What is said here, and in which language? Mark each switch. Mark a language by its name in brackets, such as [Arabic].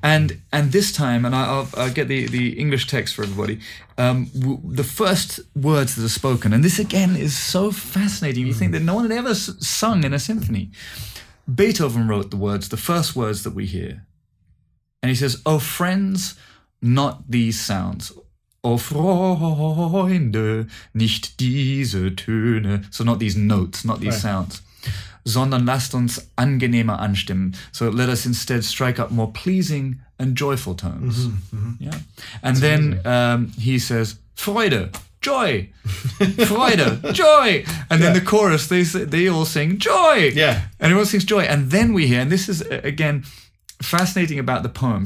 [English] And this time, and I'll get the English text for everybody. The first words that are spoken, and this again is so fascinating. You think that no one had ever sung in a symphony. Beethoven wrote the words, the first words that we hear. And he says, oh, friends, not these sounds. [German] Oh, Freunde, nicht diese Töne. [English] So not these notes, not these sounds. [German] Sondern lasst uns angenehmer anstimmen. [English] So let us instead strike up more pleasing and joyful tones. And then he says, Freude, joy. Freude, joy. And then the chorus, they all sing joy. Yeah. And everyone sings joy. And then we hear, and this is, again, fascinating about the poem.